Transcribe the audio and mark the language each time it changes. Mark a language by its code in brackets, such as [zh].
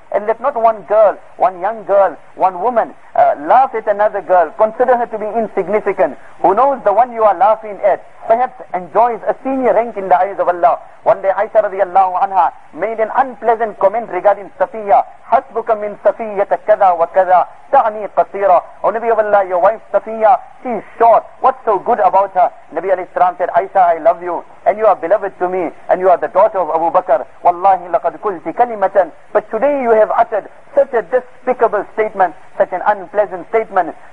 [en] And let not one girl, one young girl, one woman laugh at another girl. Consider her to be insignificant. Who knows the one you are laughing at perhaps enjoys a senior rank in the eyes of Allah. One day Aisha radiallahu anha made an unpleasant comment regarding Safiya. [ar] حسبك من صفية كذا وكذا تعني قصيرة. [en] O Nabi of Allah, your wife Safiya, she is short. What's so good about her? Nabi alayhi salam said, Aisha, I love you and you are beloved to me and you are the daughter of Abu Bakr. [ar] Wallahi لقد قلت كلمة. [en] But today you have uttered such a despicable statement, such an unpleasant statement.